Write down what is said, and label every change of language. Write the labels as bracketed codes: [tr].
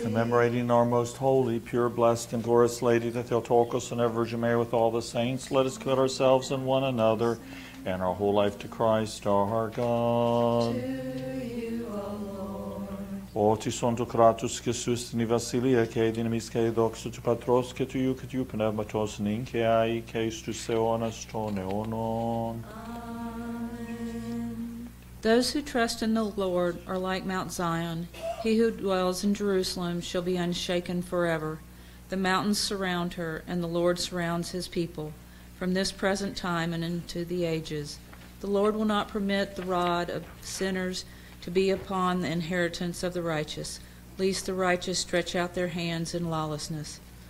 [en] Commemorating our most holy, pure, blessed, and glorious Lady, the Theotokos and ever Virgin Mary with all the saints, let us commit ourselves and one another and our whole life to Christ our God. [el] Ότι σον του κράτους και σου στην Βασιλεία και η δύναμη και η δόξα του Πατρός και του Υιού και του Πνεύματος νυν και αεί και εις τους αιώνας των αιώνων. [en] Those who trust in the Lord are like Mount Zion. He who dwells in Jerusalem shall be unshaken forever. The mountains surround her, and the Lord surrounds his people, from this present time and into the ages. The Lord will not permit the rod of sinners to be upon the inheritance of the righteous, lest the righteous stretch out their hands in lawlessness.